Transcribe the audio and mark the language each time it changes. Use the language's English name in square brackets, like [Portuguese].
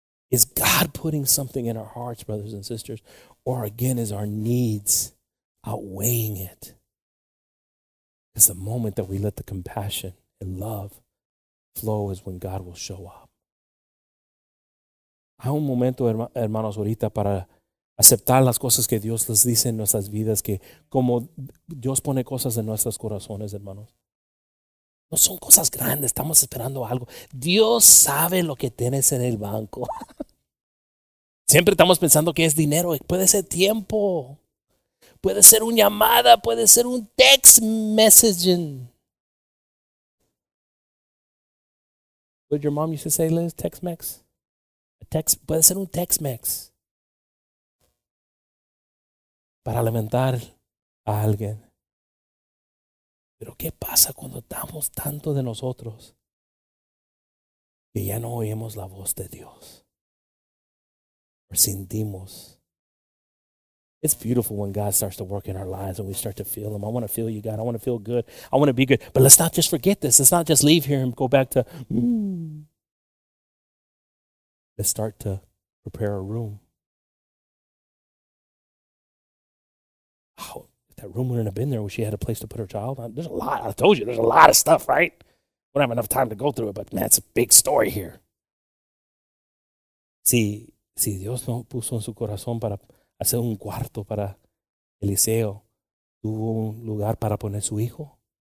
[English] Is God putting something in our hearts, brothers and sisters? Or again, is our needs outweighing it? It's the moment that we let the compassion and love flow is when God will show up. [Spanish] Hay un momento, hermanos, ahorita para aceptar las cosas que Dios les dice en nuestras vidas, que como Dios pone cosas en nuestros corazones, hermanos. No son cosas grandes, estamos esperando algo. Dios sabe lo que tienes en el banco. Siempre estamos pensando que es dinero, puede ser tiempo. Puede ser una llamada, puede ser un text messaging. [English] What your mom used to say, Liz? Tex-Mex? [Spanish] Puede ser un Tex-Mex. Para alimentar a alguien. Pero ¿qué pasa cuando estamos tanto de nosotros que ya no oímos la voz de Dios? Sentimos. [English] It's beautiful when God starts to work in our lives and we start to feel him. I want to feel you, God. I want to feel good. I want to be good. But let's not just forget this. Let's not just leave here and go back to, Let's start to prepare a room. Oh, if that room wouldn't have been there, would she have had a place to put her child? There's a lot. I told you, there's a lot of stuff, right? We don't have enough time to go through it, but man, it's a big story here. [Spanish] Si Dios no puso en su corazón para hacer un cuarto para Eliseo, ¿tuvo un lugar para poner su hijo?